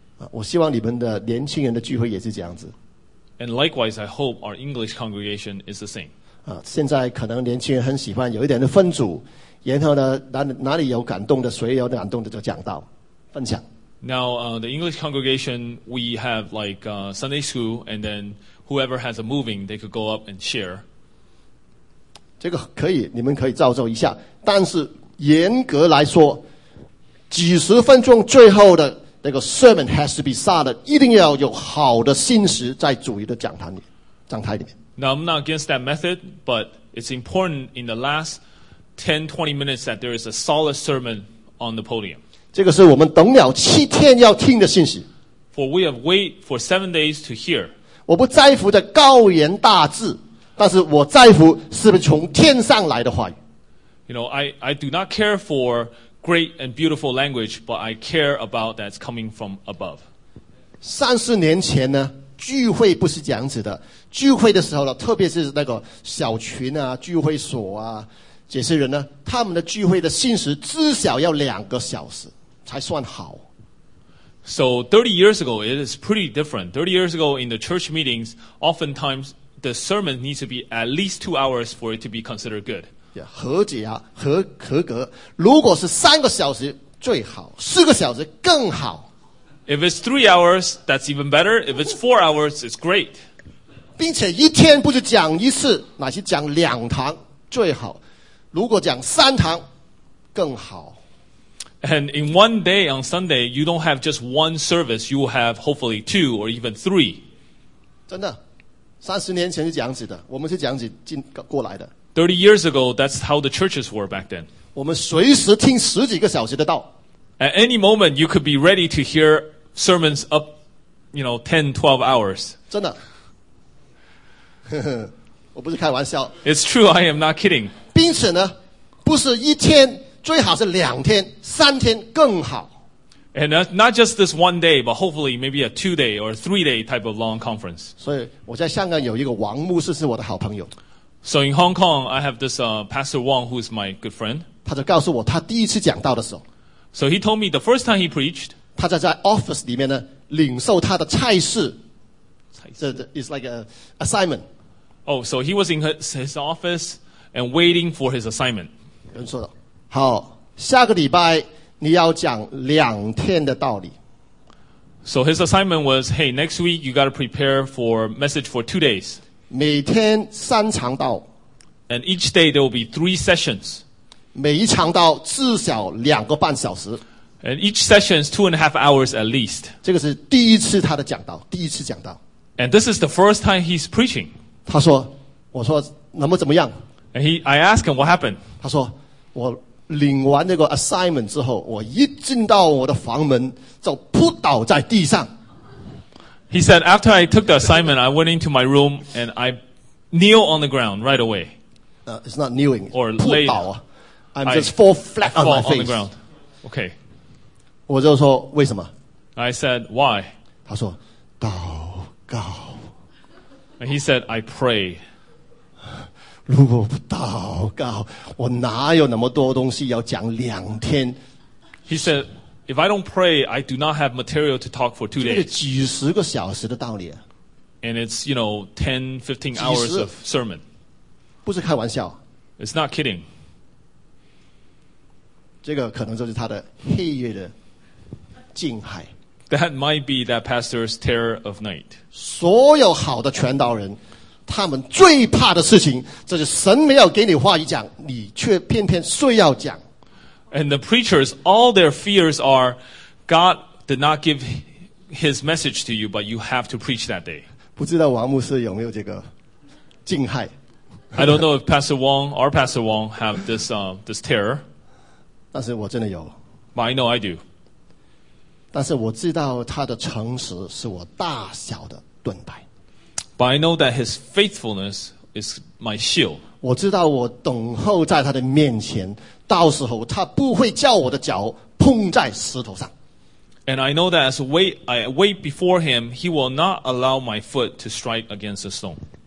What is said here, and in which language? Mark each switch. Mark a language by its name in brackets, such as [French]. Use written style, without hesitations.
[Chinese] 我希望你们的年轻人的聚会也是这样子。 [English] And likewise, I hope our English congregation is the same. [Chinese] 现在可能年轻人很喜欢有一点的分组，然后呢，哪里有感动的，谁有感动的就讲到分享。 [English] Now, the English congregation, we have like Sunday school, and then whoever has a moving, they could go up and share. [Chinese] 这个可以，你们可以照做一下。但是严格来说，几十分钟最后的那个 [English] sermon has to be solid, [Chinese] 一定要有好的信息在主日的讲台里面。 [English] Now, I'm not against that method, but it's important in the last 10-20 minutes that there is a solid sermon on the podium. [Chinese] 这个是我们等了七天要听的信息。 [English] For we have wait for 7 days to hear. [Chinese] 我不在乎的高言大志，但是我在乎是不是从天上来的话语。 [English] You know, I do not care for great and beautiful language, but I care about that's coming from above. [Chinese] 30年前呢，聚会不是这样子的。聚会的时候呢，特别是那个小群啊，聚会所啊，这些人呢，他们的聚会的信息至少要2个小时。才算好。 [English] So 30 years ago, it is pretty different. 30 years ago, in the church meetings, oftentimes the sermon needs to be at least 2 hours for it to be considered good. [Chinese] Yeah, 和解啊，合格。如果是3个小时最好，4个小时更好。 [English] If it's 3 hours, that's even better. If it's 4 hours, it's great. [Chinese] 并且一天不是讲一次，乃是讲2堂最好。如果讲3堂，更好。 [English] And in one day on Sunday, you don't have just one service, you will have hopefully 2 or even 3. [Chinese] 真的，30年前是这样子的，我们是这样子进过来的。 [English] 30 years ago, that's how the churches were back then. [Chinese] 我们随时听十几个小时的道。 [English] At any moment, you could be ready to hear sermons up, you know, 10, 12 hours. [Chinese] 真的，我不是开玩笑。 [English] It's true, I am not kidding. [Chinese] 并且呢，不是一天。最好是2天、3天更好。 [English] And not just this one day, but hopefully maybe a 2 day or 3 day type of long conference. [Chinese] 所以我在香港有一个王牧师是我的好朋友。 [English] So in Hong Kong, I have this Pastor Wong who is my good friend. [Chinese] 他就告诉我他第一次讲道的时候。 [English] So he told me the first time he preached. [Chinese] 他在 office 里面呢领受他的差事。 [English] It's like an assignment. Oh, so he was in his office and waiting for his assignment. [Chinese] 有人说的。好，下个礼拜你要讲2天的道理。 [English] So his assignment was, hey, next week you got to prepare for message for 2 days. [Chinese] 每天3场道。 [English] And each day there will be 3 sessions. [Chinese] 每一场道至少2个半小时。 [English] And each session is 2.5 hours at least. [Chinese] 这个是第一次他的讲道，第一次讲道。 [English] And this is the first time he's preaching. [Chinese] 他说，我说能不怎么样 [English] ？And I asked him what happened. [Chinese] 他说我。领完那个 assignment 之后，我一进到我的房门就扑倒在地上。 [English] He said, after I took the assignment, I went into my room and I kneel on the ground right away. It's not kneeling. Or laying. I'm just fall flat on my face. Fall on the ground. Okay. [Chinese] 我就说, 为什么? [English] I said, why? [Chinese] 他说, 祷告. [English] And he said, I pray. [Chinese] 如果不祷告, 我哪有那么多东西要讲两天? [English] He said, if I don't pray, I do not have material to talk for 2 days. [Chinese] 这个几十个小时的道理啊。 [English] And it's, you know, 10, 15 hours of sermon. [Chinese] 不是开玩笑。 [English] It's not kidding. [Chinese] 这个可能就是他的黑夜的静海。 [English] That might be that pastor's terror of night. [Chinese] 所有好的传道人, 他们最怕的事情, 这是神没有给你话语讲, 你却偏偏睡要讲。 [English] And the preachers, all their fears are, God did not give his message to you, but you have to preach that day. [Chinese] 不知道王牧师有没有这个静害。 [English] I don't know if Pastor Wong or Pastor Wong have this, this terror. [Chinese] 但是我真的有。 [English] But I know I do. [Chinese] 但是我知道他的诚实是我大小的盾牌。 [English] But I know that his faithfulness is my shield. [Chinese] 我知道我等候在他的面前, 到时候他不会叫我的脚碰在石头上。 [English] And I know that as I wait before him, he will not allow my foot to strike against the stone.